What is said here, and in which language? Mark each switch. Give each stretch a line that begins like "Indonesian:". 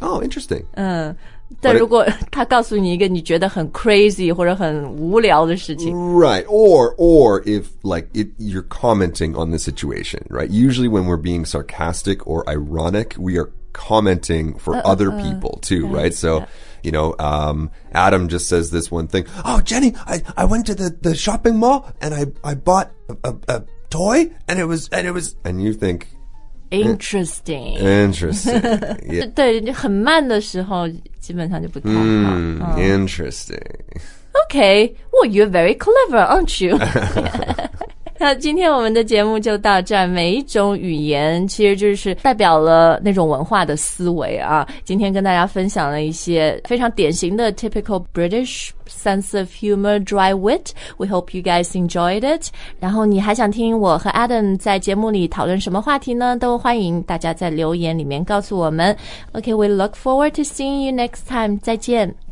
English: Oh, interesting.
Chinese: 但如果他告诉你一个你觉得很 crazy 或者很无聊的事情
English: Right, or if like it, you're commenting on the situation, right? Usually when we're being sarcastic or ironic, we are commenting for other people too, right? So, you know, Adam just says this one thing. Oh, Jenny, I went to the shopping mall and I bought a toy and it was, and you think... Interesting. Interesting.、Yeah.
Chinese: 对，很慢的时候基本上就不太好。
English: Interesting. Okay. Well, you're very clever, aren't you?
Chinese: 那今天我们的节目就到这儿。每一种语言其实就是代表了那种文化的思维啊。今天跟大家分享了一些非常典型的
English: typical British sense of humor, dry wit. We hope you guys enjoyed it.
Chinese: 然后你还想听我和 Adam 在节目里讨论什么话题呢？都欢迎大家在留言里面告诉我们。
English: Okay, we look forward to seeing you next time.
Chinese: 再见。